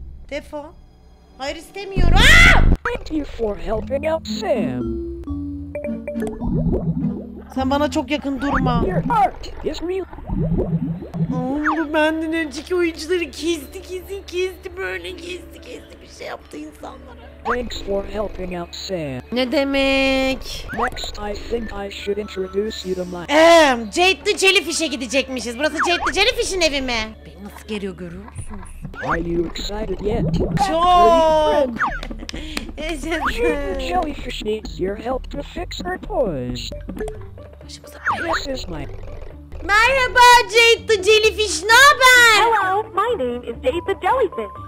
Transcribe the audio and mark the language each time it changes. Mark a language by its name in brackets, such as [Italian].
[Turkish] Defo. Hayır istemiyorum. [English] Thank you for helping out Sam. [Turkish] Sen bana çok yakın durma. [English] Your heart is real. [Turkish] Bu benden önceki oyuncuları kesti kesti kesti, böyle kesti kesti bir şey yaptı insanlara. [English] Thanks for helping out Sam. [Turkish] Ne demek? [English] Next I think I should introduce you to my... [Turkish] Jade the Jellyfish'e gidecekmişiz. Burası Jade the Jellyfish'in evi mi? Beni nasıl geriyor görüyor musunuz? [English] Are you excited yet? [Turkish] Çok! [English] Jade the Jellyfish needs your help to fix her toys. This is my... [Turkish] Merhaba Jade the Jellyfish, naber? [English] Hello, my name is Jade the Jellyfish.